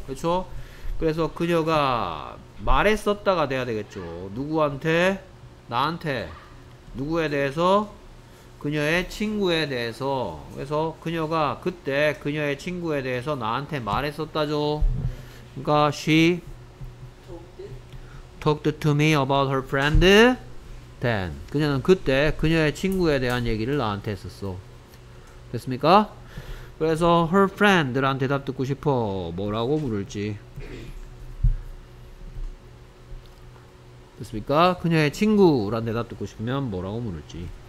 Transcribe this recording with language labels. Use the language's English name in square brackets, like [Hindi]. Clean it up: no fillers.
[Korean] 그렇죠? 그래서 그녀가 말했었다가 돼야 되겠죠. 누구한테? 나한테. 누구에 대해서? 그녀의 친구에 대해서. 그래서 그녀가 그때 그녀의 친구에 대해서 나한테 말했었다죠. 그러니까 [English] She talked to me about her friend Dan. [Korean] 그녀는 그때 그녀의 친구에 대한 얘기를 나한테 했었어. 됐습니까? 그래서 [English] her friend [Korean] 란 대답 듣고 싶어. 뭐라고 부를지. 됐습니까? 그녀의 친구란 대답 듣고 싶으면 뭐라고 부를지.